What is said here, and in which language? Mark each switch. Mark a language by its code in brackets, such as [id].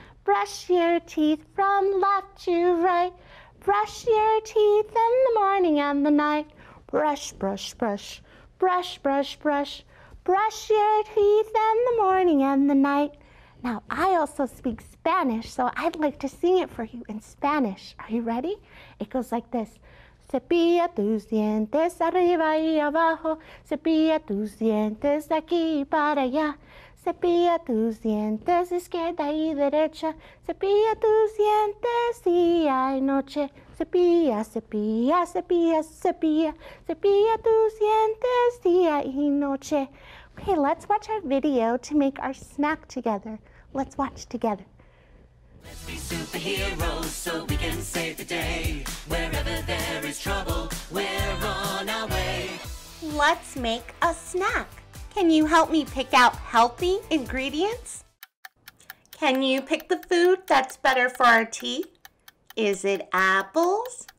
[en] Brush your teeth from left to right. Brush your teeth in the morning and the night. Brush, brush, brush. Brush, brush, brush. Brush your teeth in the morning and the night. Now, I also speak Spanish, so I'd like to sing it for you in Spanish. Are you ready? It goes like this. [es] Cepilla tus dientes arriba y abajo. Cepilla tus dientes de aquí para allá. Cepilla tus dientes izquierda y derecha. Cepilla tus dientes día y noche. Cepilla, cepilla, cepilla, cepilla. Cepilla tus dientes día y noche. [en] Okay, let's watch our video to make our snack together. Let's watch together. Let's be superheroes so we can save the day. Wherever there is trouble, we're on our way. Let's make a snack. Can you help me pick out healthy ingredients? Can you pick the food that's better for our teeth? Is it apples